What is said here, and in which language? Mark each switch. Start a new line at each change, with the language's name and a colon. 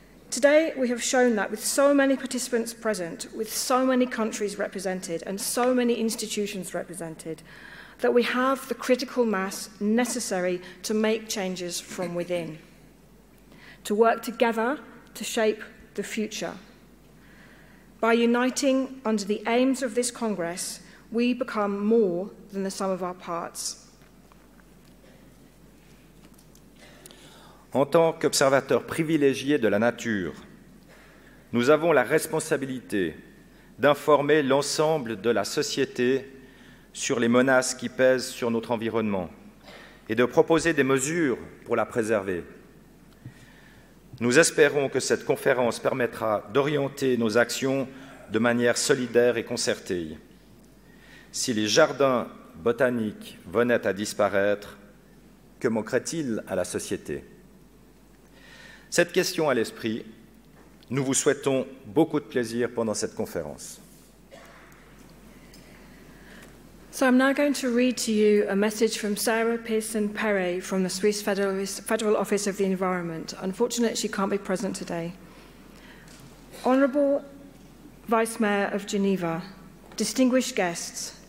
English: Today, we have shown that with so many participants present, with so many countries represented, and so many institutions represented, that we have the critical mass necessary to make changes from within, to work together to shape the future. By uniting under the aims of this Congress, we become more than the sum of our parts.
French: En tant qu'observateurs privilégiés de la nature, nous avons la responsabilité d'informer l'ensemble de la société sur les menaces qui pèsent sur notre environnement et de proposer des mesures pour la préserver. Nous espérons que cette conférence permettra d'orienter nos actions de manière solidaire et concertée. Si les jardins botaniques venaient à disparaître, que manquerait-il à la société? Cette question à l'esprit, nous vous souhaitons beaucoup de plaisir pendant cette conférence.
English: So I'm now going to read to you a message from Sarah Pearson Perret from the Swiss Federal Office of the Environment. Unfortunately, she can't be present today. Honorable Vice Mayor of Geneva, distinguished guests,